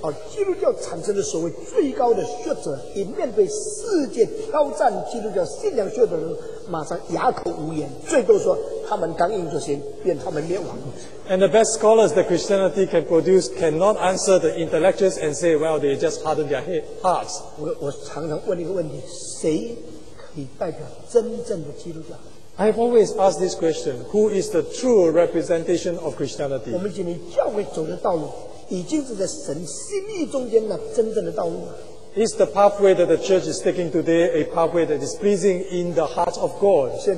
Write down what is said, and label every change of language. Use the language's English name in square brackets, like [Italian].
[Chinese] 而基督教产生的所谓最高的学者，以面对世界挑战基督教信仰学者的人，马上哑口无言，最多说他们刚硬着心，便他们灭亡。 [English] And the best scholars that Christianity can produce cannot answer the intellectuals and say, well, they just harden their hearts. [Chinese] 我常常问一个问题，谁可以代表真正的基督教？ [English] I have always asked this question, who is the true representation of Christianity? [Chinese] 我们今天教会走的道路已经是在神心意中间的真正的道路了。 [English] Is the pathway that the church is taking today a pathway that is pleasing in the heart of God?